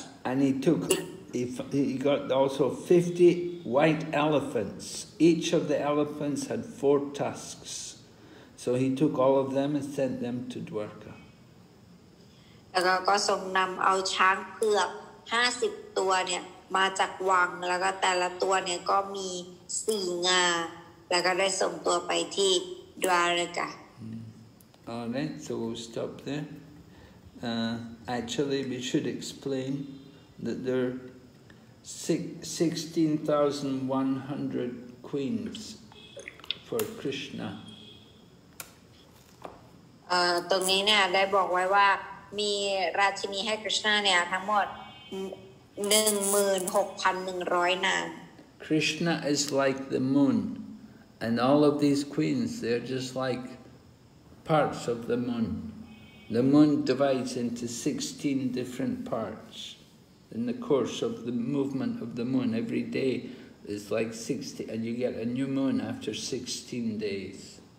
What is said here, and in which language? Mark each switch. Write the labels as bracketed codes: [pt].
[en] And he took He got also 50 white elephants. Each of the elephants had 4 tusks. So he took all of them and sent them to Dwarka. [th] แล้วก็ทรงนำเอาช้างเผือก50ตัวเนี่ยมาจากวังแล้วก็แต่ละตัวเนี่ยก็มี4งาแล้วก็ได้ส่งตัวไปที่ดวารกะ [en] Alright, so we'll stop there. Actually, we should explain that there are 16,100 queens for Krishna. [th] ตรงนี้เนี่ยได้บอกไว้ว่ามีราชินีให้คริชนาเนี่ยทั้งหมด 16,100 นาง [en] Krishna is like the moon, and all of these queens, they're just like parts of the moon. The moon divides into 16 different parts. In the course of the movement of the moon, every day is like 60, and you get a new moon after 16 days.